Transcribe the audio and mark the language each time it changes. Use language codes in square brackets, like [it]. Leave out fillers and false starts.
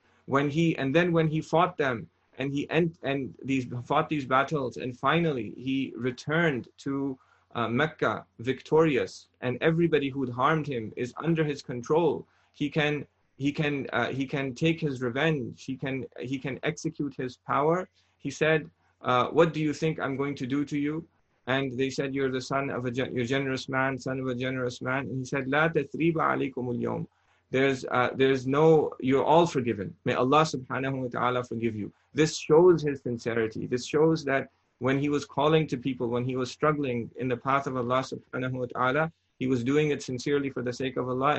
[en] When he fought them, and he fought these battles, and finally he returned to Mecca victorious, and everybody who'd harmed him is under his control, he can take his revenge, he can execute his power, he said, what do you think I'm going to do to you? And they said, you're the son of a generous man, son of a generous man. [ar] And he said, لا تثريب عليكم اليوم. [en] There's no, you're all forgiven. May Allah subhanahu wa ta'ala forgive you. This shows his sincerity. This shows that when he was calling to people, when he was struggling in the path of Allah subhanahu wa ta'ala, he was doing it sincerely for the sake of Allah.